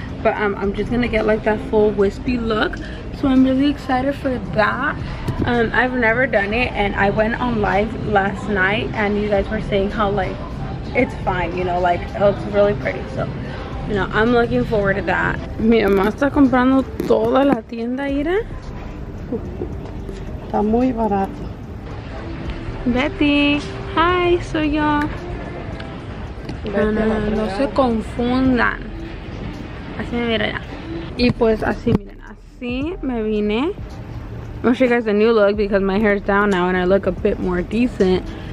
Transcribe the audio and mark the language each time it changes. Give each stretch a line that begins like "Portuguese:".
English: But I'm just gonna get like that full wispy look, so I'm really excited for that. I've never done it, and I went on live last night and you guys were saying how like it's fine, you know, like it looks really pretty. So, you know, I'm looking forward to that.
Spanish: Mi mamá está comprando toda la tienda, Ira. Está muy barato. Betty, hi, soy yo. No se confundan. Así me mira ya. Y pues así, miren, así me vine.
English: I'm gonna show you guys a new look because my hair is down now and I look a bit more decent.